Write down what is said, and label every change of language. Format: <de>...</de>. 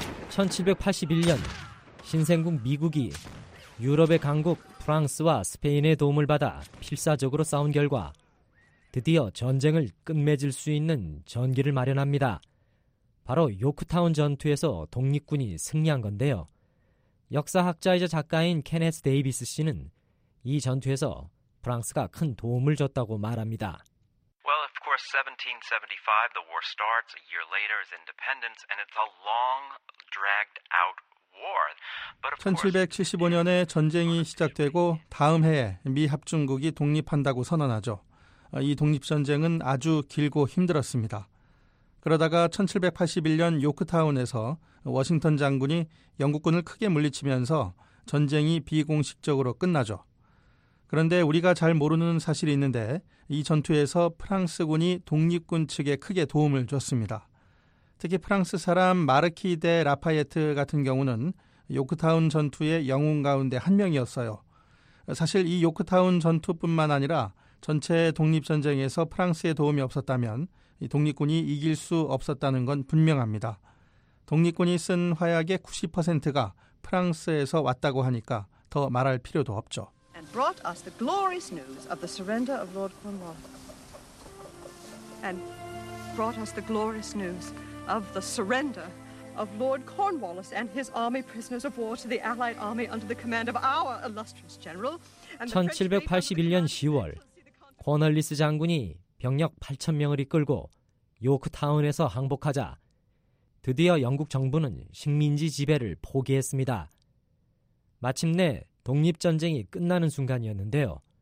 <ko>1781년 신생국 미국이 유럽의 강국 프랑스와 스페인의 도움을 받아 필사적으로 싸운 결과 드디어 전쟁을 끝맺을 수 있는 전기를 마련합니다. 바로 요크타운 전투에서 독립군이 승리한 건데요. 역사학자이자 작가인 케네스 데이비스 씨는 이 전투에서 프랑스가 큰 도움을 줬다고 말합니다.</ko> <en>Well, of course, 1775, the war starts. A year later is independence, and it's a long, dragged out war.</en> <ko>1775년에 전쟁이 시작되고 다음 해에 미합중국이 독립한다고 선언하죠. 이 독립전쟁은 아주 길고 힘들었습니다. 그러다가 1781년 요크타운에서 워싱턴 장군이 영국군을 크게 물리치면서 전쟁이 비공식적으로 끝나죠. 그런데 우리가 잘 모르는 사실이 있는데 이 전투에서 프랑스군이 독립군 측에 크게 도움을 줬습니다. 특히 프랑스 사람 마르키 데 라파예트 같은 경우는 요크타운 전투의 영웅 가운데 한 명이었어요. 사실 이 요크타운 전투뿐만 아니라 전체 독립전쟁에서 프랑스의 도움이 없었다면 독립군이 이길 수 없었다는 건 분명합니다. 독립군이 쓴 화약의 90%가 프랑스에서 왔다고 하니까 더 말할 필요도 없죠.</ko> <en>And brought us the glorious news of the surrender of Lord Cornwallis. And brought us the glorious news of the surrender of Lord Cornwallis and his army prisoners of war to the Allied army under the command of our illustrious general.</en> <ko>1781년 10월 코널리스 장군이 병력 8,000명을 이끌고 요크타운에서 항복하자 드디어 영국 정부는 식민지 지배를 포기했습니다. 마침내 독립전쟁이 끝나는 순간이었는데요.</ko>